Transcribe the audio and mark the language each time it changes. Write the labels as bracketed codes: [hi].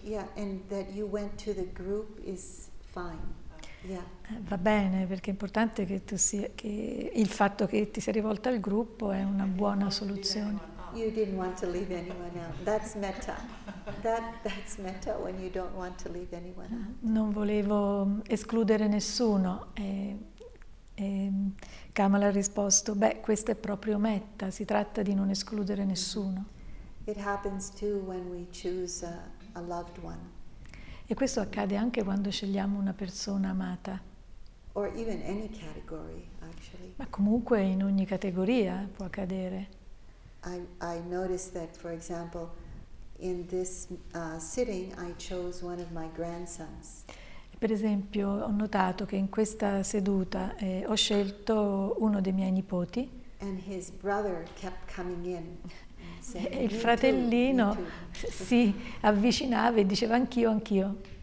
[en] Yeah, and that you went to the group is fine. Yeah. [it] Va bene, perché è importante che tu sia, che il fatto che ti sei rivolta al gruppo è una buona soluzione. [en] You didn't want to leave anyone out. That's metta. That's metta when you don't want to leave anyone out. [it] Non volevo escludere nessuno. E Kamala ha risposto: "Beh, questo è proprio metta, si tratta di non escludere nessuno." [en] It happens too when we choose a loved one. [it] E questo accade anche quando scegliamo una persona amata. [en] Or even any category, actually. [it] Ma comunque in ogni categoria può accadere. [en] I noticed that, for example, in this sitting I chose one of my grandsons. [it] Per esempio, ho notato che in questa seduta ho scelto uno dei miei nipoti. [en] And his brother kept coming in. [it] E il fratellino si avvicinava e diceva anch'io.